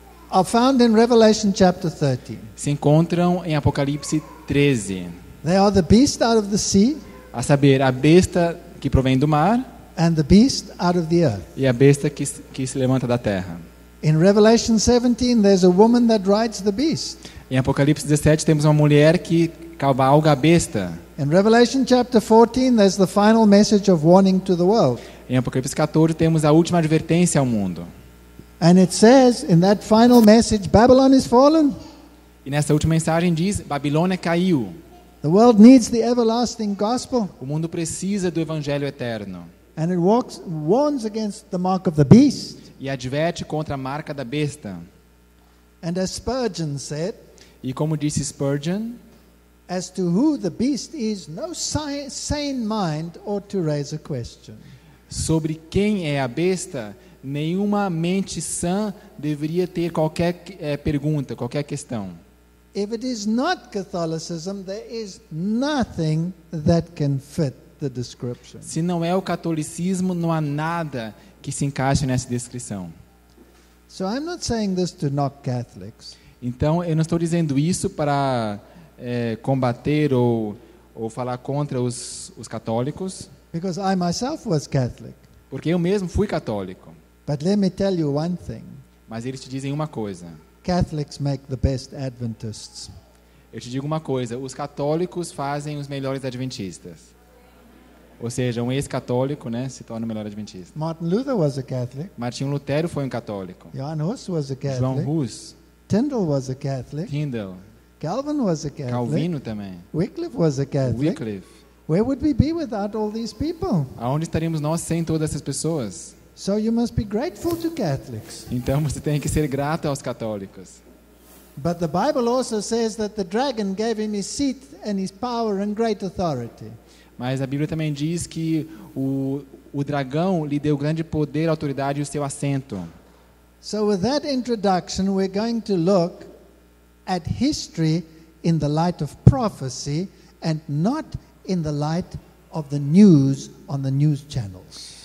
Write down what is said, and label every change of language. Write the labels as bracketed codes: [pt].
[en] are found in Revelation chapter 13. [pt] Se encontram em Apocalipse 13. [en] They are the beast out of the sea, [pt] a saber, a besta que provém do mar, [en] and the beast out of the earth, [pt] e a besta que se levanta da terra. [en] In Revelation 17 there's a woman that rides the beast. [pt] Em Apocalipse 17 temos uma mulher que cavalga a besta. [en] In Revelation chapter 14 there's the final message of warning to the world. [pt] Em Apocalipse 14 temos a última advertência ao mundo. [en] And it says in that final message, Babylon is fallen. [pt] E nessa última mensagem diz, Babilônia caiu. [en] The world needs the everlasting gospel. [pt] O mundo precisa do evangelho eterno. [en] And it warns against the mark of the beast. [pt] E adverte contra a marca da besta. [en] And as Spurgeon said, [pt] e como disse Spurgeon, [en] as to who the beast is, no sane mind ought to raise a question. [pt] Sobre quem é a besta, nenhuma mente sã deveria ter qualquer pergunta, qualquer questão. [en] If it is not Catholicism, there is nothing that can fit the description. [pt] Se não é o catolicismo, não há nada que se encaixe nessa descrição. [en] So I'm not saying this to knock Catholics. [pt] Então, eu não estou dizendo isso para combater ou falar contra os católicos. [en] Because I myself was Catholic. [pt] Porque eu mesmo fui católico. [en] But let me tell you one thing. [pt] Mas eles te dizem uma coisa. [en] Catholics make the best Adventists. [pt] Eu te digo uma coisa. Os católicos fazem os melhores adventistas. Ou seja, um ex-católico, né, se torna o melhor adventista. [en] Martin Luther was a Catholic. [pt] Martinho Lutero foi um católico. [en] Johann Hus was a Catholic. [pt] João Hus. [en] Tyndall was a Catholic. [pt] Tyndall. [en] Calvin was a Catholic. [pt] Calvino também. [en] Wycliffe was a Catholic. [pt] Wycliffe. [en] Where would we be without all these people? [pt] Aonde estaríamos nós sem todas essas pessoas? [en] So you must be grateful to Catholics. [pt] Então você tem que ser grato aos católicos. [en] But the Bible also says that the dragon gave him his seat and his power and great authority. [pt] Mas a Bíblia também diz que o dragão lhe deu grande poder, autoridade e o seu assento. [en] So with that introduction, we're going to look at history in the light of prophecy and not in the light of the news on the news channels.